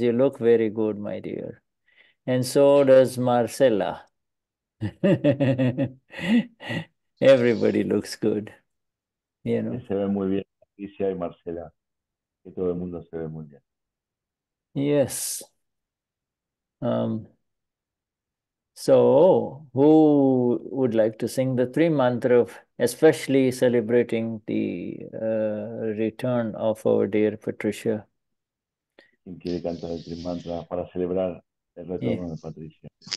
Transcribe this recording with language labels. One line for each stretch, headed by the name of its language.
English: You look very good, my dear. And so does Marcella. Everybody looks good, you know.
Spanish: Se ve muy bien, Patricia y Marcella. Que todo el mundo se ve muy bien.
English: Yes. So, who would like to sing the three mantras, especially celebrating the return of our dear Patricia?
Spanish: ¿Quién quiere cantar el tres mantra para celebrar el retorno de Patricia?